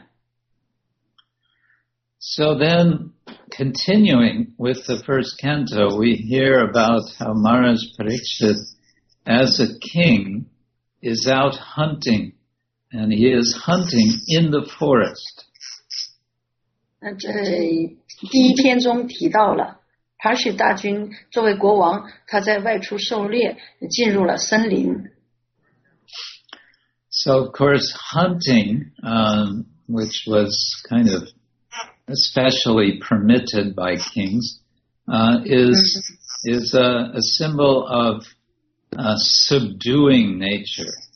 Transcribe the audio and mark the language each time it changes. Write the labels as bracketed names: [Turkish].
[Chinese] 但是呢，他也给卡里呢，在他这个王国呢留了一个牺牲的地方，所以卡里呢至今依然在这个世界上存在着。 [English] So then, continuing with the first canto, we hear about how Maharaj Parikshit, as a king, is out hunting, and he is hunting in the forest. [Chinese] 这第一篇中提到了，帕什大军作为国王，他在外出狩猎，进入了森林。 [English] So of course, hunting, which was kind of especially permitted by kings, is a symbol of subduing nature.